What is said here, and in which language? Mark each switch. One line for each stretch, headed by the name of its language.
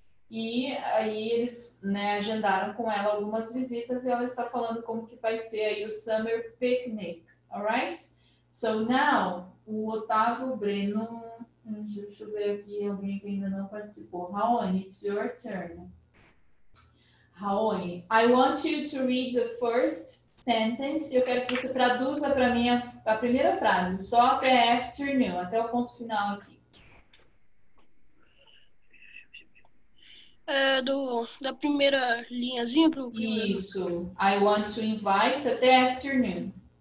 Portuguese: E aí eles, né, agendaram com ela algumas visitas e ela está falando como que vai ser aí o summer picnic, alright? So now, o Otávio, o Breno, deixa eu ver aqui, alguém que ainda não participou.
English: Raoni, it's your turn. Raoni, I want you to read the first sentence.
Portuguese: Eu quero que você traduza para mim a primeira frase, só até afternoon, até o ponto final aqui. Da primeira linhazinha pro
English: primeiro. Isso. I want to invite até afternoon.